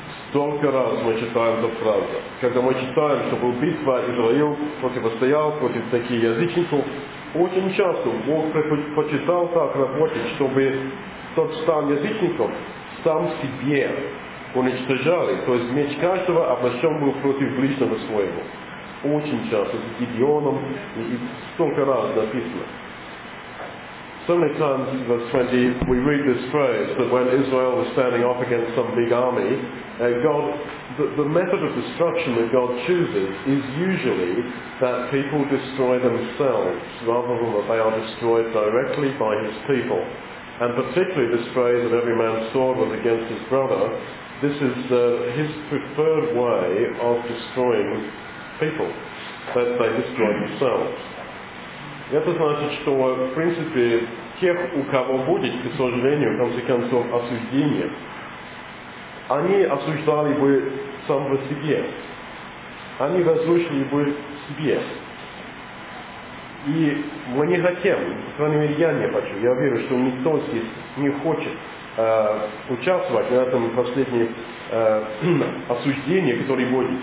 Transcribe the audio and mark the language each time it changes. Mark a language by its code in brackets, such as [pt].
[ru] Столько раз мы читаем эту фразу. Когда мы читаем, что была битва, Израил противостоял против таких язычников, очень часто Бог предпочитал так работать, чтобы тот стан язычников сам себе уничтожали. То есть меч каждого обращен был против ближнего своего. Очень часто, с Гидеоном, и столько раз написано. [en] So many times in verse 20 we read this phrase that when Israel was standing up against some big army, God, the method of destruction that God chooses is usually that people destroy themselves rather than that they are destroyed directly by his people. And particularly this phrase that every man's sword was against his brother, this is his preferred way of destroying people, that they destroy themselves. [ru] Это значит, что, в принципе, тех, у кого будет, к сожалению, в конце концов, осуждение, они осуждали бы сам по себе. Они возвышали бы себе. И мы не хотим, по крайней мере, я не хочу, я верю, что никто здесь не хочет участвовать на этом последнем осуждении, которое будет.